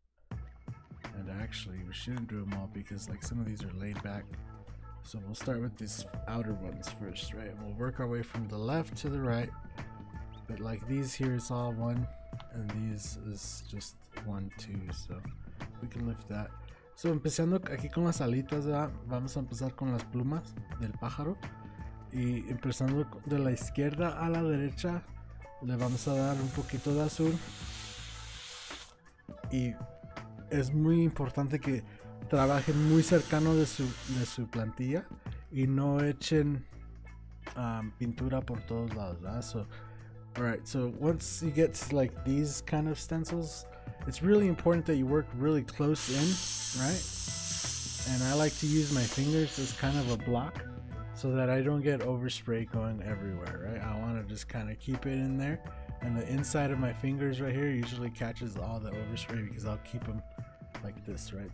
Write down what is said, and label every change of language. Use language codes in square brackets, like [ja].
[en] And actually, we shouldn't do them all because, like, some of these are laid back. So we'll start with these outer ones first, right? We'll work our way from the left to the right. But, like, these here is all one, and these is just one, two. So we can lift that. [es] So, empezando aquí con las alitas, ¿verdad? Vamos a empezar con las plumas del pájaro. Y empezando de la izquierda a la derecha, le vamos a dar un poquito de azul. Y es muy importante que trabajen muy cercano de su plantilla y no echen pintura por todos lados, ¿verdad? [en] So, alright, so once you get to, like, these kind of stencils, it's really important that you work really close in, right? And I like to use my fingers as kind of a block so that I don't get overspray going everywhere, right? I want to just kind of keep it in there. And the inside of my fingers right here usually catches all the overspray because I'll keep them like this, right?